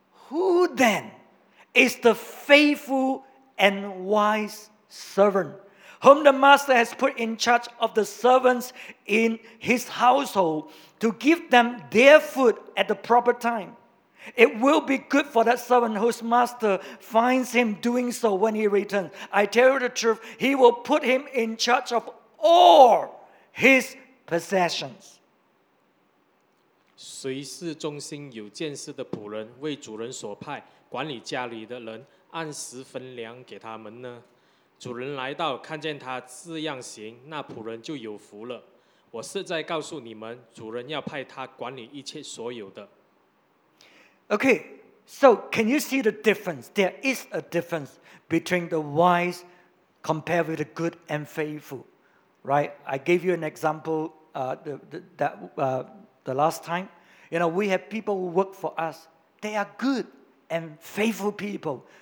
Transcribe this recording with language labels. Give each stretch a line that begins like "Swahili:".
English: Who then is the faithful and wise servant whom the master has put in charge of the servants in his household to give them their food at the proper time? It will be good for that servant whose master finds him doing so when he returns. I tell you the truth, he will put him in charge of all his possessions.
Chinese: 谁是忠心有见识的仆人，为主人所派管理家里的人按时分粮给他们呢？主人来到，看见他这样行，那仆人就有福了。我是在告诉你们, 主人要派他管理一切所有的。
English: Okay, so can you see the difference? There is a difference between the wise compared with the good and faithful, right? I gave you an example the last time. You know, we have people who work for us. They are good and faithful people.